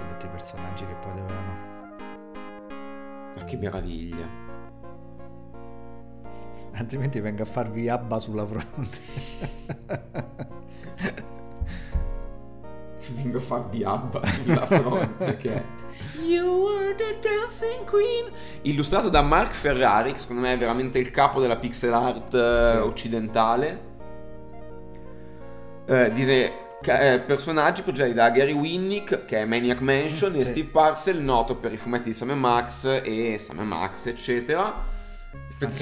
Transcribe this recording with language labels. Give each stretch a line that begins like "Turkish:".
Italian: Personaggi che poi dovevano... Ma che meraviglia. Altrimenti vengo a farvi abba sulla fronte. Vengo a farvi Abba sulla fronte, che è...
English: You are the dancing queen!
Italian: Illustrato da Mark Ferrari, che secondo me è veramente il capo della pixel art occidentale. Dice, personaggi progettati da Gary Winnick, che è Maniac Mansion, e Sì. Steve Purcell, noto per i fumetti di Sam & Max, e Sam & Max, eccetera. Effetti